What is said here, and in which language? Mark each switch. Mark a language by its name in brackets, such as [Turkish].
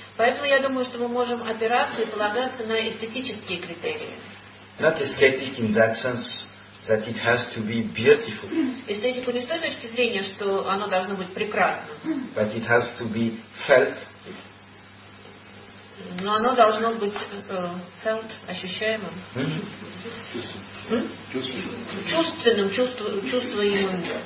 [Russian] Поэтому я думаю, что мы можем опираться и полагаться на эстетические критерии. [English] Not aesthetic in that sense that it has to be beautiful. [Russian] Эстетику не с той точки зрения, что оно должно быть прекрасным. [English] But it has to be felt. [Russian] Но оно должно быть felt, ощущаемым. Чувственным, чувствуемым.